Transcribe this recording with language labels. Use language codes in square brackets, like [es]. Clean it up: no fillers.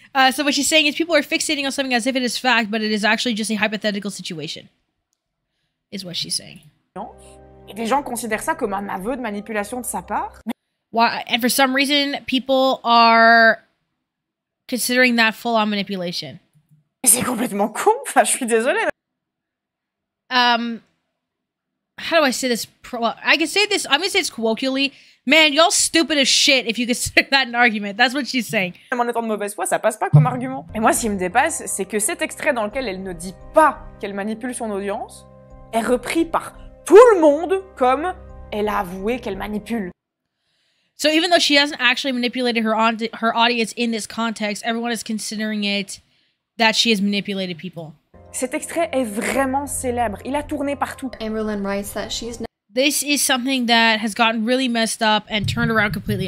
[en] So what she's saying is people are fixating on something as if it is fact, but it is actually just a hypothetical situation, is what she's saying. [fr] Et des gens considèrent ça comme un aveu de manipulation de sa part. [en] Why, and for some reason, people are considering that full-on manipulation. [fr] C'est complètement con, enfin, je suis désolée. [en] How do I say this? I can say this, I'm gonna say it's colloquially. Man, y'all stupid as shit if you consider that an argument. That's what she's saying. [fr] Même en étant de mauvaise foi, ça passe pas comme argument. Et moi, ce qui me dépasse, c'est que cet extrait dans lequel elle ne dit pas qu'elle manipule son audience est repris par tout le monde comme elle a avoué qu'elle manipule. [en] So even though she hasn't actually manipulated her audience in this context, everyone is considering it that she has manipulated people. [fr] Cet extrait est vraiment célèbre. Il a tourné partout. [en] Amberlynn writes that she's This is something that has gotten really messed up and turned around completely.